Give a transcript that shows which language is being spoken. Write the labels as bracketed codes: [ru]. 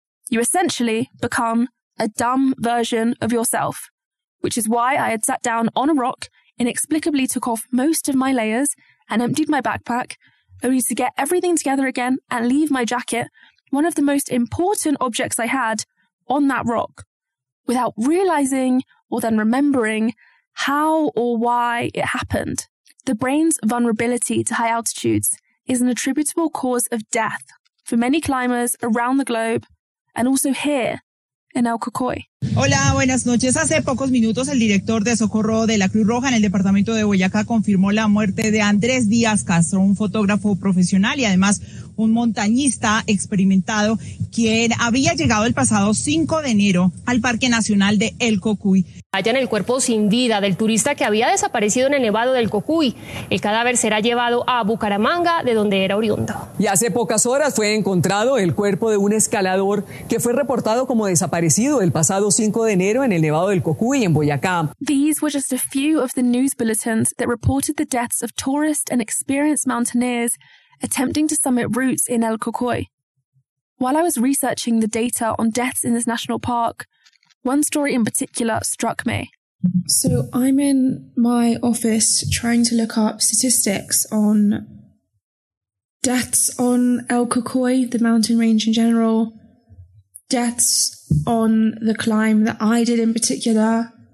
[en] You essentially become a dumb version of yourself, which is why I had sat down on a rock, inexplicably took off most of my layers, and emptied my backpack, only to get everything together again and leave my jacket, one of the most important objects I had, on that rock, without realizing or then remembering how or why it happened. The brain's vulnerability to high altitudes is an attributable cause of death for many climbers around the globe and also here in El Cocoy. [es] Hola, buenas noches. Hace pocos minutos, el director de socorro de la Cruz Roja en el departamento de Boyacá confirmó la muerte de Andrés Díaz Castro, un fotógrafo profesional y además un montañista experimentado, quien había llegado el pasado 5 de enero al Parque Nacional de El Cocuy. Hallan el cuerpo sin vida del turista que había desaparecido en el Nevado del Cocuy. El cadáver será llevado a Bucaramanga, de donde era oriundo. Y hace pocas horas fue encontrado el cuerpo de un escalador que fue reportado como desaparecido el pasado 5 de enero en el Nevado del Cocuy, en Boyacá. [en] These were just a few of the news bulletins that reported the deaths of tourists and experienced mountaineers attempting to summit routes in El Cocuy. While I was researching the data on deaths in this national park, one story in particular struck me. So I'm in my office trying to look up statistics on deaths on El Cocuy, the mountain range in general, deaths on the climb that I did in particular.